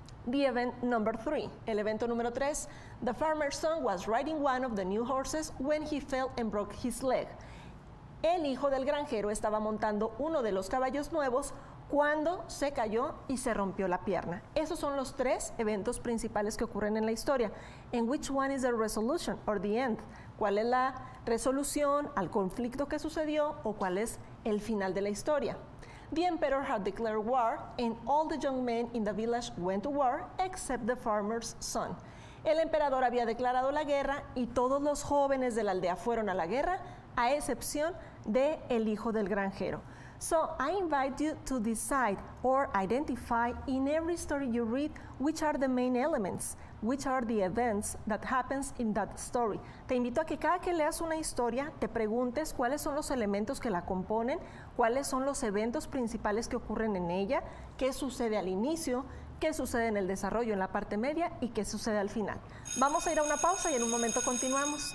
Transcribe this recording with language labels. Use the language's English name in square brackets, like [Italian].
[English] The event number three, [Spanish] el evento número tres. [English] The farmer's son was riding one of the new horses when he fell and broke his leg. [Spanish] El hijo del granjero estaba montando uno de los caballos nuevos cuando se cayó y se rompió la pierna. Esos son los tres eventos principales que ocurren en la historia. [English] And which one is the resolution or the end? [Spanish] ¿Cuál es la resolución al conflicto que sucedió o cuál es el final de la historia? [English] The emperor had declared war and all the young men in the village went to war except the farmer's son. [Spanish] El emperador había declarado la guerra y todos los jóvenes de la aldea fueron a la guerra, a excepción de el hijo del granjero. [English] So I invite you to decide or identify in every story you read which are the main elements, which are the events that happens in that story. [Spanish] Te invito a que cada que leas una historia te preguntes cuáles son los elementos que la componen, cuáles son los eventos principales que ocurren en ella, qué sucede al inicio, qué sucede en el desarrollo, en la parte media y qué sucede al final. Vamos a ir a una pausa y en un momento continuamos.